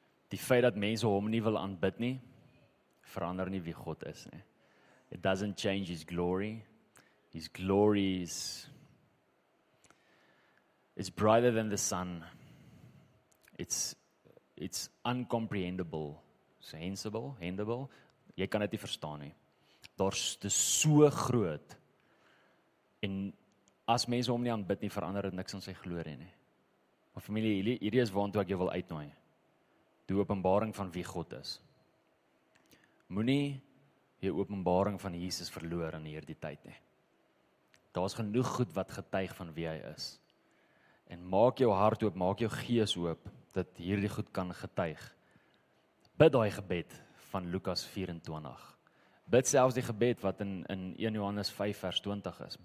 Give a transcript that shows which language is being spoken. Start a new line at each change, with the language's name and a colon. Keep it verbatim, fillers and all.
Afrikaans: Die feit dat mense hom nie wil aanbid nie, verander nie wie God is nie.
English: It doesn't change his glory. His glory is, is brighter than the sun. It's it's uncomprehendable. So handsable, handable.
Afrikaans: Jy kan dit nie verstaan nie. Daar's dis so groot. En as mense hom nie aanbid nie, verander dit niks aan sy glorie nie. Maar familie, hierdie is waartoe ek jou wil uitnooi. Die openbaring van wie God is. Moenie die openbaring van Jesus verloor in hierdie tyd nie. Daar's genoeg goed wat getuig van wie hy is. En maak jou hart oop, maak jou gees oop, dat hierdie goed kan getuig. Bid daai gebed van Lukas vyf en twintig. Bid selfs die gebed wat in, in eerste Johannes vyf vers twintig is.